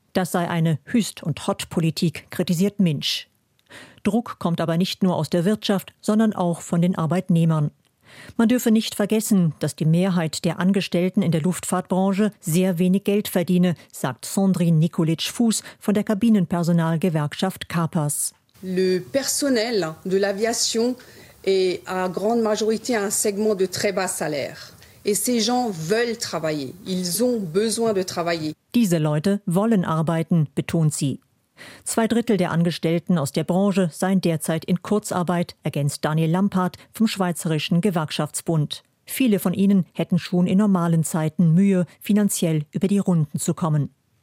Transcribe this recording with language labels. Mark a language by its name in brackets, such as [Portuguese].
[German] Das sei eine Hüst- und Hott-Politik, kritisiert Minsch. Druck kommt aber nicht nur aus der Wirtschaft, sondern auch von den Arbeitnehmern. Man dürfe nicht vergessen, dass die Mehrheit der Angestellten in der Luftfahrtbranche sehr wenig Geld verdiene, sagt Sandrine Nikolic-Fuß von der Kabinenpersonalgewerkschaft CAPAS. [French] Le personnel de l'aviation est à grande majorité un segment de très bas salaire. Et ces gens veulent travailler. Ils ont besoin de travailler. [German] Diese Leute wollen arbeiten, betont sie. 2/3 der Angestellten aus der Branche seien derzeit in Kurzarbeit, ergänzt Daniel Lampard vom Schweizerischen Gewerkschaftsbund. Viele von ihnen hätten schon in normalen Zeiten Mühe, finanziell über die Runden zu kommen.